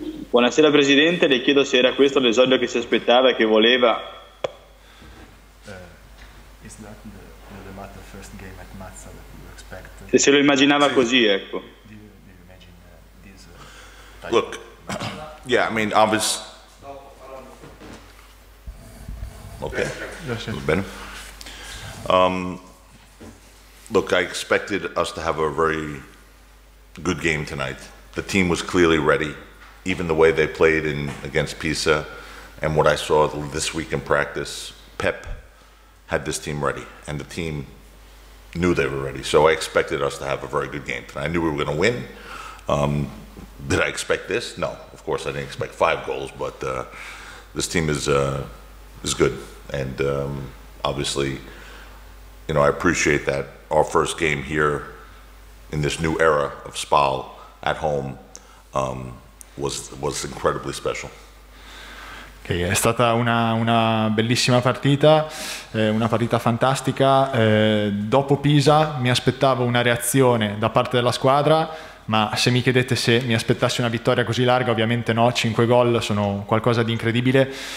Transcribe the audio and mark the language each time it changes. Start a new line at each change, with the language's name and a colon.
Italian: Buonasera Presidente, le chiedo se era questo l'esordio che si aspettava e che voleva.
English: Is that the first game at Mazza that you expected?
Italian: Se lo immaginava
English: Please,
Italian: così, ecco.
English: do you imagine this type look, yeah, I mean, obviously. Okay, Ben. Look, I expected us to have a very good game tonight. The team was clearly ready, even the way they played in against Pisa and what I saw this week in practice. Pep had this team ready, and the team knew they were ready. So I expected us to have a very good game tonight. I knew we were going to win. Did I expect this? No, of course I didn't expect five goals, but this team is good. And obviously, you know, I appreciate that our first game here in this new era of Spal at home was incredibly special.
Italian: Okay, è stata una bellissima partita, una partita fantastica. Dopo Pisa mi aspettavo una reazione da parte della squadra, ma se mi chiedete se mi aspettassi una vittoria così larga, ovviamente no, 5 gol sono qualcosa di incredibile.